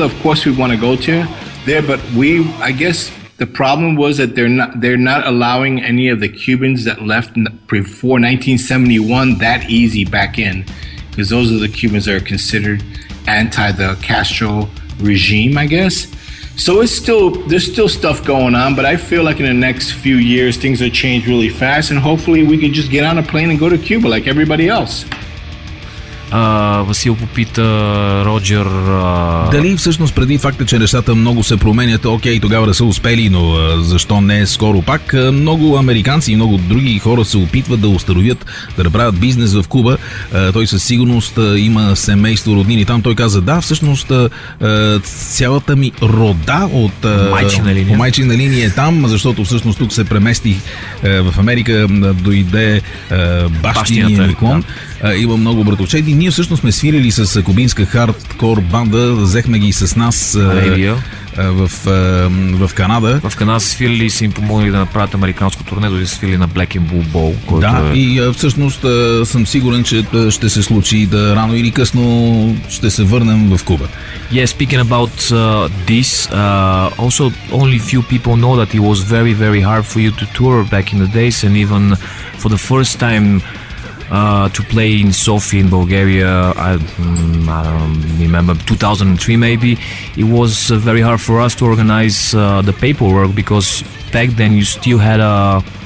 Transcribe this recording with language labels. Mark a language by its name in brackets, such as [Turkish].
[English] Of course, we want to go there, but I guess the problem was that they're not allowing any of the Cubans that left before 1971 that easy back in, because those are the Cubans that are considered anti the Castro regime, I guess. So there's still stuff going on, but I feel like in the next few years things will change really fast, and hopefully we can just get on a plane and go to Cuba like everybody else. [Bulgarian] Васил попита Роджер дали всъщност преди факта, че нещата много се променят, окей, тогава да са успели, но защо не скоро пак? Много американци и много други хора се опитват да установят, да направят бизнес в Куба. Той със сигурност има семейство, роднини там. Той каза, да, всъщност цялата ми рода от майчина линия е там, защото всъщност тук се преместих в Америка, дойде бащиния ми клон. Има много братовчеди. Ние всъщност сме свирили с кубинска хардкор банда. Взехме ги с нас в Канада. В Канада са свирили и са им помогли да направят американско турне, дори са свирили на Black and Blue Bowl. Да, и всъщност съм сигурен, че ще се случи да рано или късно ще се върнем в Куба. [English] Yeah, speaking about this, also only few people know that it was very, very hard for you to tour back in the days, and even for the first time to play in Sofia in Bulgaria, I don't remember, 2003 maybe, it was very hard for us to organize the paperwork, because back then you still had a